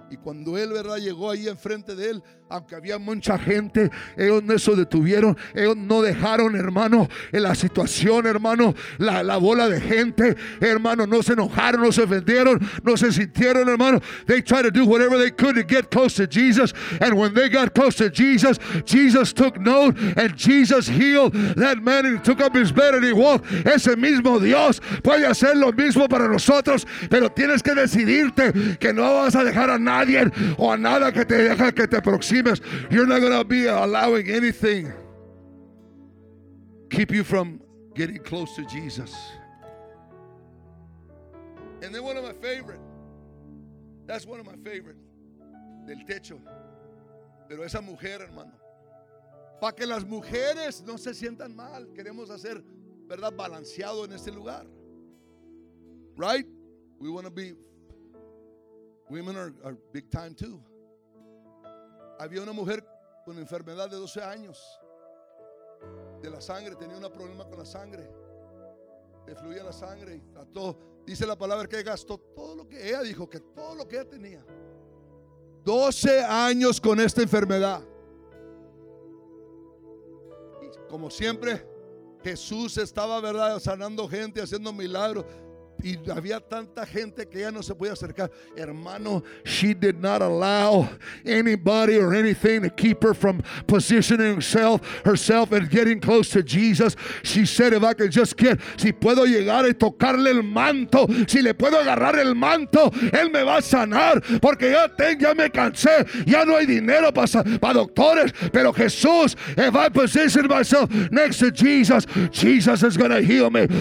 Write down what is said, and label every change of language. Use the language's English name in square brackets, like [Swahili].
[Spanish] Y cuando él, verdad, llegó ahí enfrente de él, aunque había mucha gente, ellos no se detuvieron, ellos no dejaron, hermano, en la situación, hermano, la bola de gente, hermano, no se enojaron, no se ofendieron, no se sintieron, hermano. [English] They tried to do whatever they could to get close to Jesus, and when they got close to Jesus, Jesus took note, and Jesus healed that man, and he took up his bed, and he walked. [Spanish] Ese mismo Dios puede hacer lo mismo para nosotros, pero tienes que decidirte que no vas a dejar a nadie o a nada que te deja que te aproximes. [English] You're not going to be allowing anything keep you from getting close to Jesus. And then one of my favorite, that's one of my favorite, [Spanish] del techo. Pero esa mujer, hermano, para que las mujeres no se sientan mal, queremos hacer, verdad, balanceado en este lugar. [English] Right? We want to be. Women are big time too. [Spanish] Había una mujer con enfermedad de 12 años de la sangre. Tenía un problema con la sangre. Le fluía la sangre y trató. Dice la palabra que gastó todo lo que ella dijo, que todo lo que ella tenía. 12 años con esta enfermedad. Y como siempre, Jesús estaba, verdad, sanando gente, haciendo milagros. y había tanta gente que ya no se podía acercar. [English] Hermano, she did not allow anybody or anything to keep her from positioning herself and getting close to Jesus. She said, if I could just get, [Spanish] si puedo llegar y tocarle el manto, si le puedo agarrar el manto, él me va a sanar, porque ya tengo, ya me cansé, ya no hay dinero para doctores, pero Jesús, [English] if I position myself next to Jesus, Jesus is going to heal me.